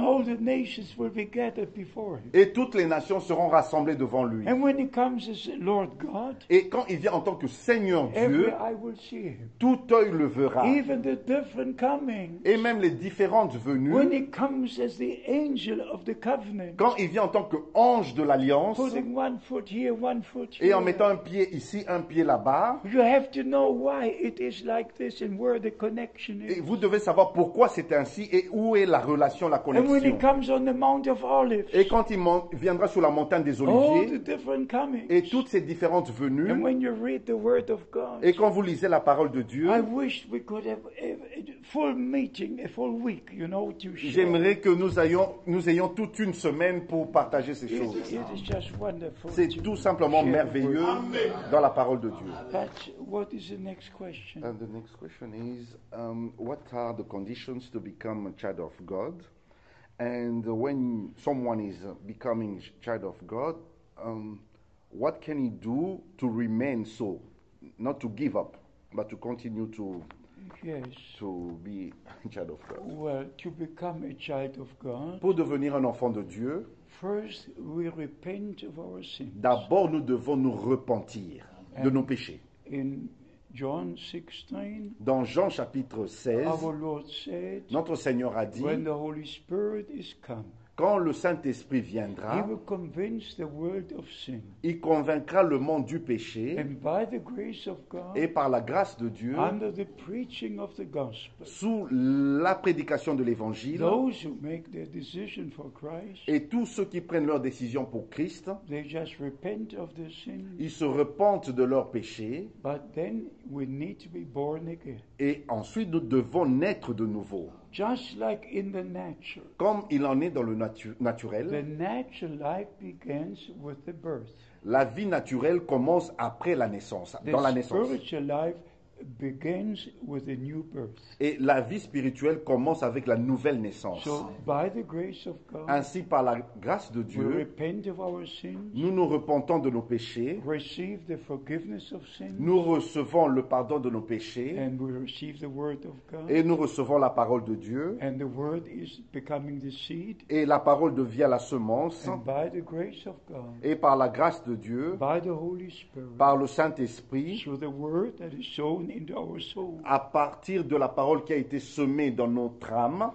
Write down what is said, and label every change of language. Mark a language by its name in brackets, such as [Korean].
[English] And all the nations will be gathered before him. [French] Et toutes les nations seront rassemblées devant lui. [English] And when he comes as Lord God, [French] et quand il vient en tant que Seigneur Dieu, tout œil le verra. [English] Even the different comings, [French] et même les différentes venues. [English] When he comes as the angel of the covenant, [French] quand il vient en tant qu'ange de l'alliance, [English] putting one foot here, one foot here, [French] et en mettant un pied ici, un pied là-bas, vous devez savoir pourquoi c'est ainsi et où est la relation, la connexion. [English] And when he comes on the Mount of Olives, [French] et quand il viendra sur la montagne des oliviers et toutes ces différentes venues. [English] And when you read the word of God, [French] et quand vous lisez la parole de Dieu, [English] I wish we could have full meeting, a full week, you know, to share. [French] J'aimerais que nous ayons toute une semaine pour partager ces choses. [English] It is just wonderful. [French] C'est tout simplement merveilleux dans la parole de Dieu. [English] But what is the next question? And the next question is, what are the conditions to become a child of God? And when someone is becoming child of God, what can he do to remain so, not to give up, but to continue to to be child of God? Well, to become a child of God. [French] Pour devenir un enfant de Dieu. [English] First, we repent of our sins. [French] D'abord, nous devons nous repentir de nos péchés. [English] In John 16, [French] dans Jean chapitre 16, [English] our Lord said, [French] notre Seigneur a dit, [English] when the Holy Spirit is come, [French] quand le Saint-Esprit viendra, [English] he will convince the world of sin. [French] Il convaincra le monde du péché. [English] And by the grace of God, [French] et par la grâce de Dieu, [English] under the preaching of the gospel, [French] sous la prédication de l'Évangile, [English] those who make their decision for Christ, [French] et tous ceux qui prennent leur décision pour Christ, [English] they just repent of their sin, [French] ils se repentent de leur péché. [English] But then we need to be born again. [French] Et ensuite, nous devons naître de nouveau. [English] Just like in the natural, [French] comme il en est dans le naturel, [English] the natural life begins with the birth. [French] La vie naturelle commence après la naissance, [English] the [French] dans la naissance. [English] Spiritual life begins with a new birth. [French] Et la vie spirituelle commence avec la nouvelle naissance. [English] So, by the grace of God, [French] ainsi, par la grâce de Dieu, [English] we repent of our sins, [French] nous nous repentons de nos péchés, [English] receive the forgiveness of sins, [French] nous recevons le pardon de nos péchés, [English] and we receive the word of God, [French] et nous recevons la parole de Dieu, [English] and the word is becoming the seed, [French] et la parole devient la semence, [English] and by the grace of God, [French] et par la grâce de Dieu, [English] by the Holy Spirit, [French] par le Saint-Esprit, [English] through the word that is sown into our soul, [French] à partir de la parole qui a été semée dans notre âme,